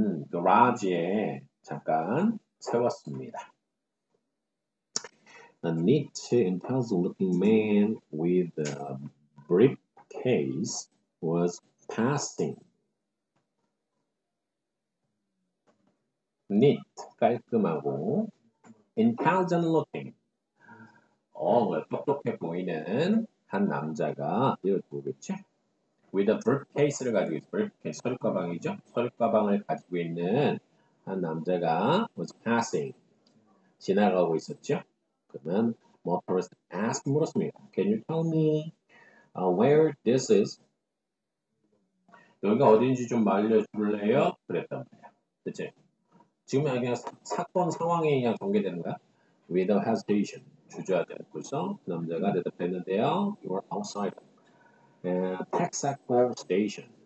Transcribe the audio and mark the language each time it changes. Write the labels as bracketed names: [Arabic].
[Korean] garage에 잠깐 세웠습니다. [English] A neat and puzzled-looking man with a briefcase was passing. [Korean] Neat, 깔끔하고, intelligent-looking, 똑똑해 보이는 한 남자가 이걸 보겠지? With a briefcase를 가지고 있어. Briefcase, 서류 가방이죠? 서류 가방을 가지고 있는 한 남자가 [English] was passing, [Korean] 지나가고 있었죠? 그러면 motorist asked 물었습니다. [English] Can you tell me where this is? [Korean] 여기가 어딘지 좀 알려줄래요? 그랬단 말이야. 그치? 지금 여기가 사건 상황에 그냥 전개되는 거야. [English] Without hesitation. [Korean] 주저하지 않고서 그 남자가 대답했는데요. [English] You are outside. Texaco Station.